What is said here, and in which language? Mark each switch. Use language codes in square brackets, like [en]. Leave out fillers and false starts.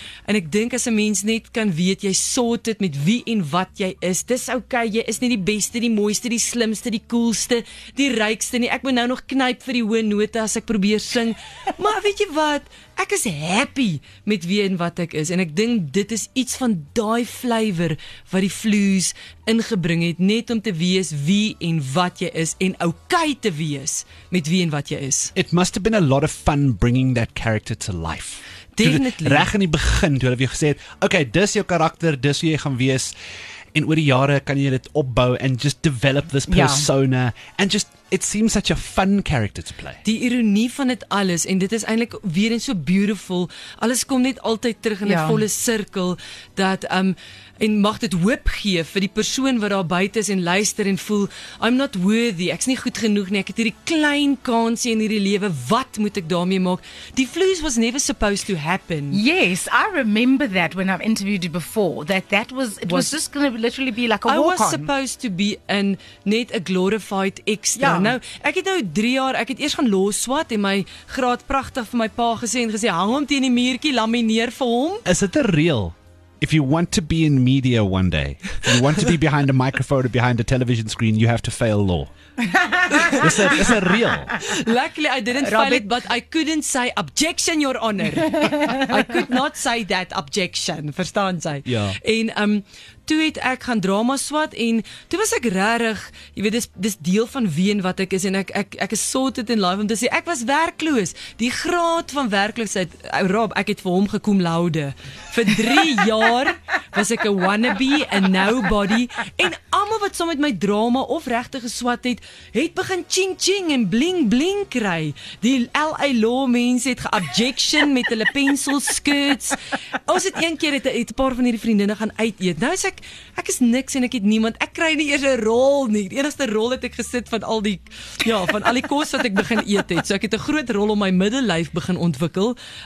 [af] ek dink as 'n mens net kan weet, jy sort it met wie en wat jy is, dis okay, jy is nie die beste, die mooiste, die slimste, die coolste, die rykste nie, ek moet nou nog knyp vir die hoë note as ek probeer sing, maar weet jy wat, ek is happy met wie en wat ek is, en ek dink dit is iets van daai flavor wat die Floes ingebring het, net om te wees wie en wat jy is, en okay te wees met wie en wat jy is. [en] It must have been a lot of fun bringing that character to life. Definitely. [af] Reg in die begin, toe hulle vir jou gesê het, okay, dis jou karakter, dis hoe jy gaan wees, en oor die jare kan jy dit opbou [en] and just develop this persona and just, it seems such a fun character to play. [af] Die ironie van dit alles, en dit is eintlik weer en so beautiful, alles kom net altyd terug in 'n volle sirkel, dat en mag dit hoop gee vir die persoon wat daar buite is en luister en voel, [en] I'm not worthy, [af] ek's nie goed genoeg nie, ek het hierdie klein kansie in hierdie lewe, wat moet ek daarmee maak? [en] Die Floes was never supposed to happen. Yes, I remember that when I've interviewed you before, that was just going to literally be like a walk-on. I was supposed to be in net a glorified extra, [af] Nou, ek het nou 3 jaar, ek het eers gaan loswat en my graad pragtig vir my pa gesê en gesê, hang hom teen die muurtjie, lamineer vir hom. Is dit 'n reël? [en] If you want to be in media one day, you want to be behind a microphone or behind a television screen, you have to fail law. Is that real? Luckily, I didn't fail it, but I couldn't say objection, your honor. I could not say that objection, [af] verstaan sy? Ja. En toe het ek gaan drama swat en toe was ek rarig, jy weet, dis deel van wie en wat ek is en ek is [en] sorted in life [af] om te sê, ek was werkloos. Die graad van werkloosheid, Rob, ek het vir hom gekom laude. Vir 3 jaar was ek [en] a wannabe, a nobody [af] en almal wat saam met my drama of regte geswat het, het begin ching ching en bling bling kry. Die LA law mense het ge-objection met hulle pensel skirts. Ons het een keer het 'n paar van hierdie vriendinne gaan uit eet. Nou ek is niks en ek het niemand. Ek kry nie eers 'n rol nie. Die enigste rol het ek gesit van al die ja, van al die kos wat ek begin eet het. So ek het 'n groot rol om my middellyf begin ontwikkel.